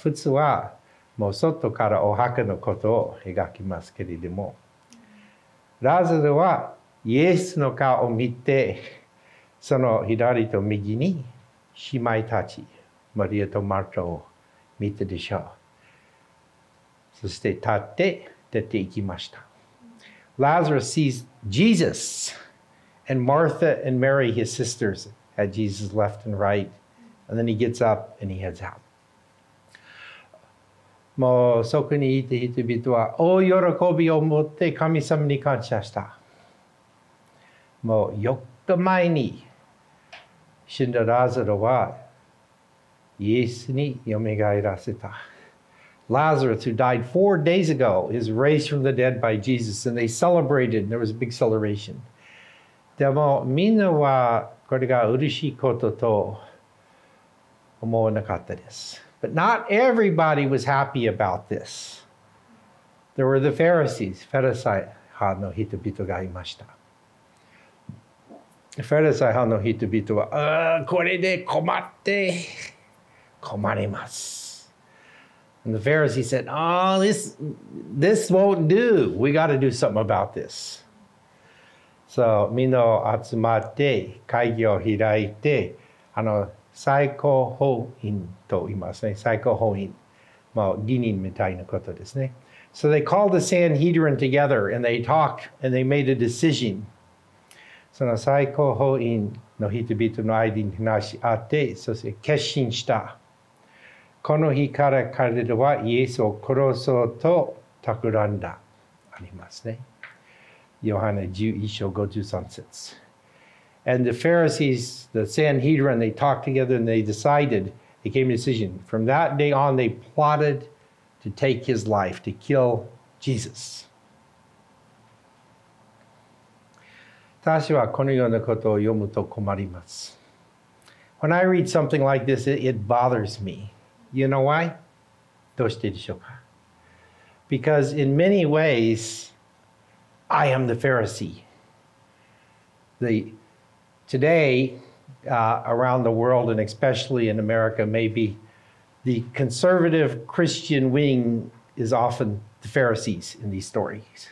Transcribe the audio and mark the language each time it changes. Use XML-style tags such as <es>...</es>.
<ja>普通は、もう外からお墓のことを描きますけれども、ラザロは、イエスの顔を見て、その左と右に姉妹たち、マリアとマルタを見てでしょう。そして立って出て行きました。</ja> <en>Lazarus sees Jesus and Martha and Mary, his sisters, at Jesus' left and right. And then he gets up and he heads out.</en> <ja>もうそこにいた人々は大喜びを持って神様に感謝した。もう4日前に死んだラザロはイエスによみがえらせた。</ja> <en>Lazarus, who died 4 days ago, is raised from the dead by Jesus, and they celebrated, and there was a big celebration.</en> <ja>でもみんなはこれが嬉しいことと思わなかったです。</ja> <en>But not everybody was happy about this. There were the Pharisees,</en> <ja>ファリサイ派の人々がいました。ファリサイ派の人々は、これで困ります。</ja> <en>And the Pharisees said, oh, this won't do. We got to do something about this.</en> <ja>So, みんな集まって会議を開いて、最高法院と言いますね。最高法院。もう議員みたいなことですね。</ja> <en>So they called the Sanhedrin together and they talked and they made a decision.</en> <ja>その最高法院の人々の間に話し合って、そして決心した。この日から彼らはイエスを殺そうと企んだ。ありますね。ヨハネ11章53節。</ja> <en>And the Pharisees, the Sanhedrin, they talked together and they decided, they came to a decision. From that day on, they plotted to take his life, to kill Jesus.</en> <ja>私はこのようなことを読むと困ります。</ja> <en>When I read something like this, it bothers me. You know why?</en> <ja>どうしてでしょうか?</ja> <en>Because in many ways, I am the Pharisee. Today, around the world, and especially in America, maybe the conservative Christian wing is often the Pharisees in these stories.</en>